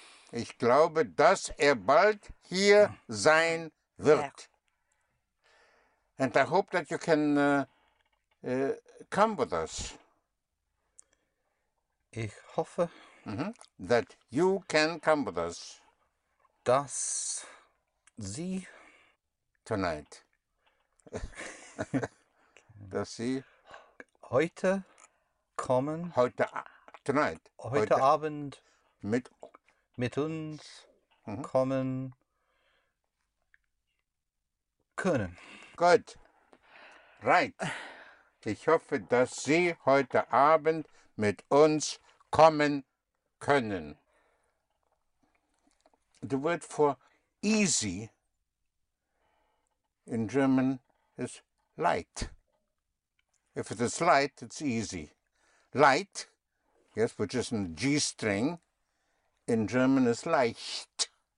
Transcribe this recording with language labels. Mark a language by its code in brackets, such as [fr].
[de] Ich glaube, dass bald hier sein Wer? wird. [en] And I hope that you can come with us. [de] Ich hoffe, [en] That you can come with us [de] dass Sie [en] tonight. [de] Dass Sie heute kommen, heute tonight, heute Abend mit uns kommen können. Gut. [en] Right. [de] Ich hoffe, dass Sie heute Abend mit uns kommen können. [en] The word for easy in German is light. If it is light, it's easy. Light, yes, which is in G string, in German is leicht.